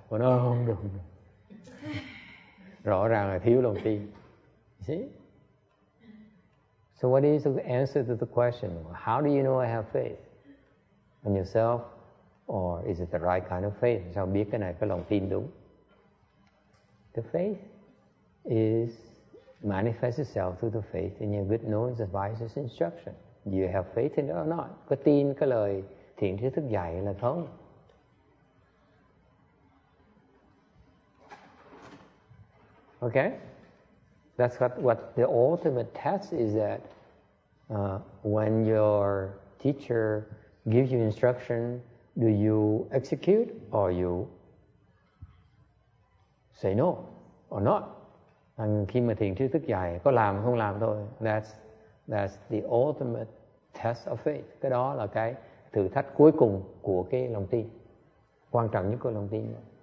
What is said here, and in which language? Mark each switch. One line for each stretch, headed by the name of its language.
Vietnamese: Cô nói không được, rõ ràng là thiếu lòng tin.
English: See, so what is the answer to the question, how do you know I have faith in yourself? Or is it the right kind of faith?
Vietnamese: Sao biết cái này cái lòng tin đúng?
English: The faith is manifest itself through the faith in your good knowing, advice, instruction. Do you have faith in it or not?
Vietnamese: Có tin cái lời thiện tri thức dạy là không?
English: Okay? That's what the ultimate test is, that when your teacher gives you instruction, do you execute or you say no or not?
Vietnamese: And khi mà thiền tri thức dạy, có làm không làm thôi.
English: That's the ultimate test of faith.
Vietnamese: Cái đó là cái thử thách cuối cùng của cái lòng tin, quan trọng nhất của lòng tin.